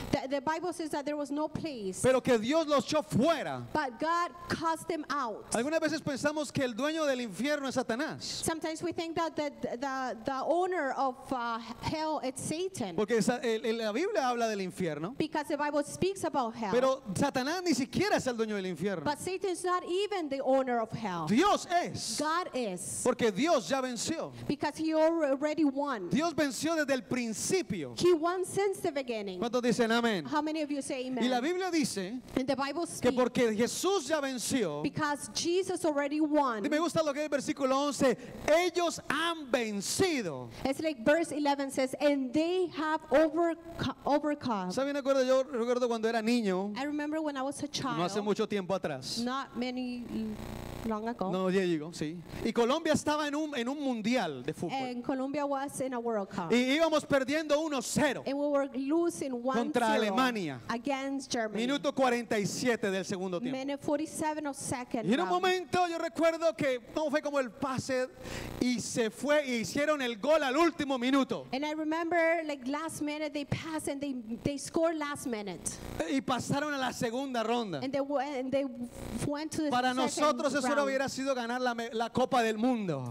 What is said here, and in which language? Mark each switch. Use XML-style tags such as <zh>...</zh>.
<en>The Bible says that there was no place.</en> <es>Pero que Dios los echó fuera.</es> <en>But God cast them out.</en> <es>Algunas veces pensamos que el dueño del infierno es Satanás.</es> <en>Sometimes we think that the owner of hell is Satan.</en> <es>Porque la Biblia habla del infierno.</es> <en>Because the Bible speaks about hell.</en> <es>Pero Satanás ni siquiera es el dueño del infierno.</es> <en>But Satan is not even the owner of hell.</en> <es>Dios es.</es> <en>God is.</en> <es>Porque Dios ya venció.</es> <en>Because he already won.</en> <es>Dios venció desde el principio.</es> <en>He won since the beginning.</en> <es>¿Cuántos dicen amén?</es> <en>How many of you say amen?</en> <es>Y la Biblia dice que porque Jesús ya venció.</es> <en>Because Jesus already won.</en> <es>Y me gusta lo que dice el versículo 11. Ellos han vencido.</es> <en>It's like verse 11 says, and they have overcome.</en> <es>¿Saben? Yo recuerdo cuando era niño.</es> <en>I remember when I was a child.</en> <es>No hace mucho tiempo atrás.</es> <en>Not many long ago.</en> <es>No, ya digo, sí. Y Colombia estaba en un mundial de fútbol.</es> <en>And Colombia was in a World Cup.</en> <es>Y íbamos perdiendo 1-0.</es> <en>And we were losing 1-0.</en> <es>Contra Alemania.</es> <en>Against Germany.</en> <es>Minuto 47 del segundo tiempo.</es> <en>Minute 47 of second.</en> <es>Y en un momento yo recuerdo que cómo fue como el pase y se fue y hicieron el gol al último minuto.</es> <en>And I remember like last minute they passed and they scored last minute.</en> <es>Y pasaron a la segunda ronda.</es> <en>And they went to the</en> <es>para</es> <en>second</en> <es>nosotros</es> <en>round.</en> <es>Eso no hubiera sido ganar la Copa del Mundo.</es>